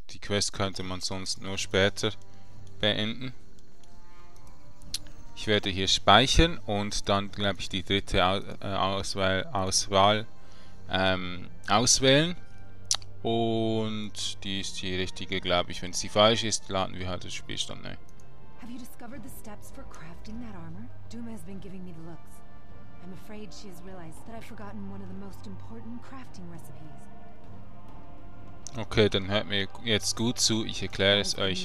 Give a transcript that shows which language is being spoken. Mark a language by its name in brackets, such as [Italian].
[German] Die Quest könnte man sonst nur später beenden. Ich werde hier speichern und dann, glaube ich, die dritte Auswahl auswählen. Und die ist die richtige, glaube ich. Wenn sie falsch ist, laden wir halt das Spiel dann neu. [English] Have you discovered the steps for crafting that armor? Duma has been giving me the looks. I'm afraid she has realized that I've forgotten one of the most important crafting recipes. [German] Okay, dann hört mir jetzt gut zu, ich erkläre es euch.